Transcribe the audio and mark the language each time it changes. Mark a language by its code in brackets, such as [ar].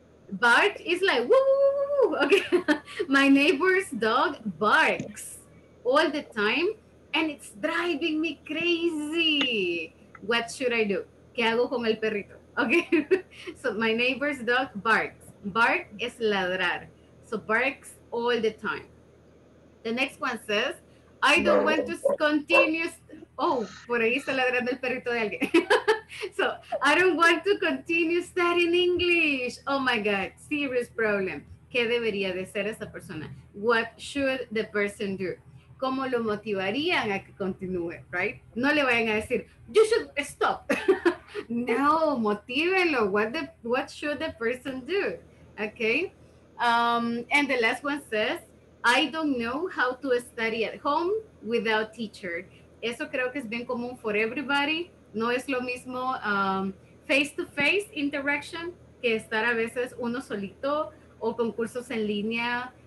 [en] Bark is like woo, woo, woo, woo. Okay. My neighbor's dog barks all the time and it's driving me crazy. What should I do? [es] ¿Qué hago con el perrito? [en] Okay. So my neighbor's dog barks. Bark is ladrar. So barks all the time. The next one says, I don't want to continue. [es] Oh, por ahí está ladrando el perrito de alguien. [en] So, I don't want to continue studying English. Oh my God, serious problem. [es] ¿Qué debería de ser esa persona? [en] What should the person do? [es] ¿Cómo lo motivarían a que continúe, right? No le vayan a decir, [en] you should stop. [es] No, motívenlo. [en] What should the person do? Okay. And the last one says, I don't know how to study at home without teacher. [es] Eso creo que es bien común [en] for everybody. [es] No es lo mismo [en] face-to-face interaction [es] que estar a veces uno solito o con cursos en línea.